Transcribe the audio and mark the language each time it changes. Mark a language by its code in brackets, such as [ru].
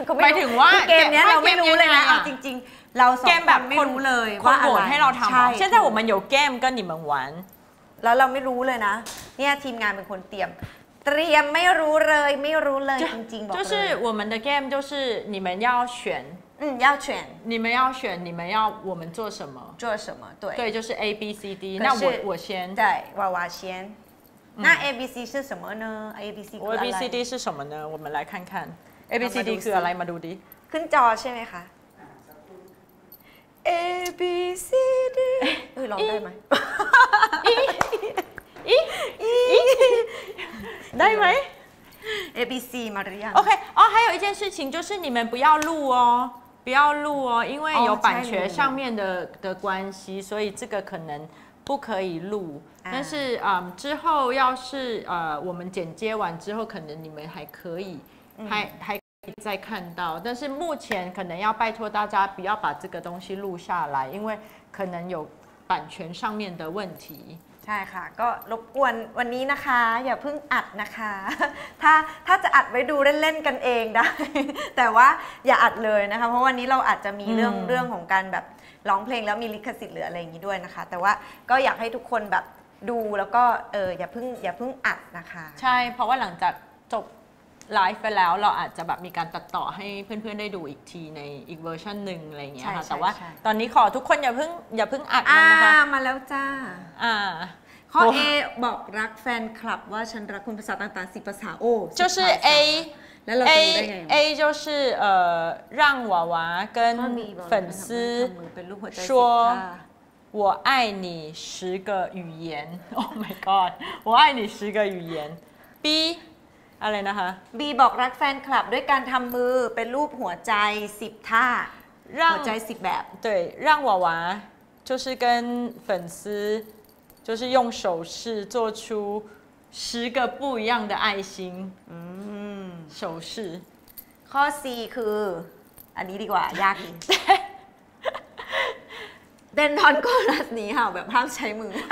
[th] หมายถึงว่า เกมนี้เราไม่รู้เลยนะเอาจริงๆเราสอง คนแบบ ไม่รู้เลย ว่าโหวตให้เราทำใช่ใช่แต่ว่ามันอยู่เกมก็หนิมังหวาน แล้วเราไม่รู้เลยนะเนี่ยทีมงานเป็นคนเตรียมไม่รู้เลยไม่รู้เลยจริงๆบอกเลย [zh] 就是我们的 game 就是你们要选要选你们要选你们要我们做什么做什么对对就是 A B C D 那我先对娃娃先那 A B C 是什么呢 A B C 我 A B C D 是什么呢我们来看看 A B C D 是来嘛读的 [th] ขึ้นจอใช่ไหมคะ A B C D เฮ้ยลองได้ไหม ได้ไหม A B C มาหรือยัง [zh] OK อ๋อ还有一件事情就是你们不要录哦不要录哦因为有版权上面的关系所以这个可能不可以录但是之后要是我们剪接完之后可能你们还可以还可以再看到但是目前可能要拜托大家不要把这个东西录下来因为可能有版权上面的问题 [th] ใช่ค่ะก็รบกวนวันนี้นะคะอย่าเพิ่งอัดนะคะถ้าจะอัดไว้ดูเล่นๆกันเองได้แต่ว่าอย่าอัดเลยนะคะเพราะวันนี้เราอาจจะมีเรื่องของการแบบร้องเพลงแล้วมีลิขสิทธิ์หรืออะไรอย่างนี้ด้วยนะคะแต่ว่าก็อยากให้ทุกคนแบบดูแล้วก็อย่าเพิ่งอัดนะคะ ใช่เพราะว่าหลังจากจบไลฟ์ไปแล้วเราอาจจะแบบมีการตัดต่อให้เพื่อนๆได้ดูอีกทีในอีกเวอร์ชันหนึ่งอะไรเงี้ยค่ะแต่ว่าตอนนี้ขอทุกคนอย่าเพิ่งอัดมันนะคะ มาแล้วจ้า ข้อ A บอกรักแฟนคลับว่าฉันรักคุณภาษาต่างๆ10ภาษาโอ้ [zh] 就是 A [th] แล้วเราจะได้ไง [zh] A 就是让娃娃跟粉丝说我爱你十个语言 [en] Oh my god [zh] 我爱你十个语言 B [th] อะไรนะคะ B บอกรักแฟนคลับด้วยการทำมือเป็นรูปหัวใจ10ท่าหัวใจ10แบบ [zh] 对让娃娃就是跟粉丝就是用手势做出10个不一样的爱心手势 [th] ข้อ C คืออันนี้ดีกว่ายากจริงเดนทอนโกนัสนี่ค่ะแบบห้ามใช้มือ